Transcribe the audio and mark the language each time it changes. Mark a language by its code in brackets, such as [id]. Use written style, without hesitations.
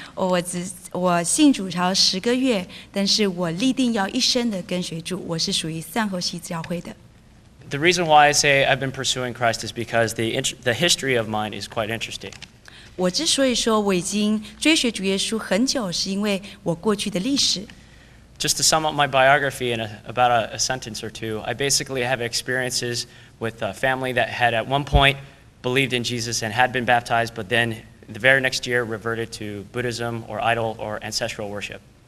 [zh] 我信主朝十个月，但是我立定要一生的跟随主。我是属于San Jose教会的。 [en] The reason why I say I've been pursuing Christ is because the history of mine is quite interesting. [zh] 我之所以说我已经追随主耶稣很久，是因为我过去的历史。 [en] Just to sum up my biography in about a sentence or two, I basically have experiences with a family that had at one point believed in Jesus and had been baptized, but then the very next year reverted to Buddhism or idol or ancestral worship.